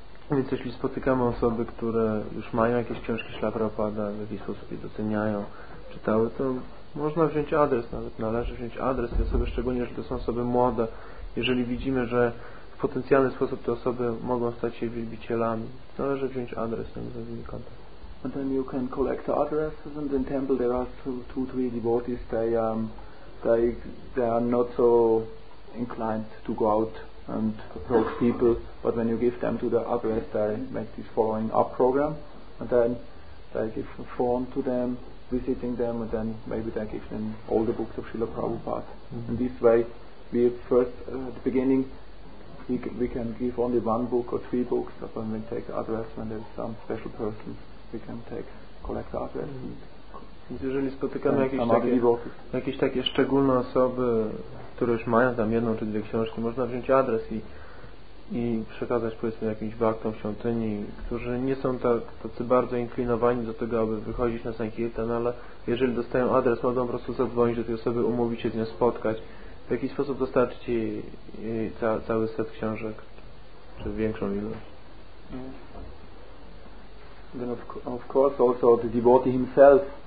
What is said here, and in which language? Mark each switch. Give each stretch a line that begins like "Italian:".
Polish: Więc jeśli spotykamy osoby, które już mają jakieś książki Śla Prabhupada, w jakiś sposób je doceniają, czytały, to można wziąć adres, nawet należy wziąć adres tej osoby, szczególnie jeżeli to są osoby młode, jeżeli widzimy, że w potencjalny sposób te osoby mogą stać się wielbicielami, należy wziąć adres na zewnętrzny kontakt.
English: And then you can collect the addresses and in temple there are two, three devotees, they are not so inclined to go out and approach people, but when you give them to the address, they make this following up program, and then they give a form to them, visiting them, and then maybe they give them all the books of Srila Prabhupada. Mm-hmm. And this way, we first, at the beginning, we can give only one book or three books, but when we take the address, when there's some special person, we can collect the address. Mm-hmm.
Polish: Więc jeżeli spotykamy jakieś takie szczególne osoby, które już mają tam jedną czy dwie książki, można wziąć adres i przekazać powiedzmy jakimś baktom w świątyni, którzy nie są tacy bardzo inklinowani do tego, aby wychodzić na sankirtan, ale jeżeli dostają adres, mogą po prostu zadzwonić do tej osoby, umówić się z nią, spotkać, w jakiś sposób dostarczyć jej cały set książek czy większą ilość.
English: Then of course also the devotee himself.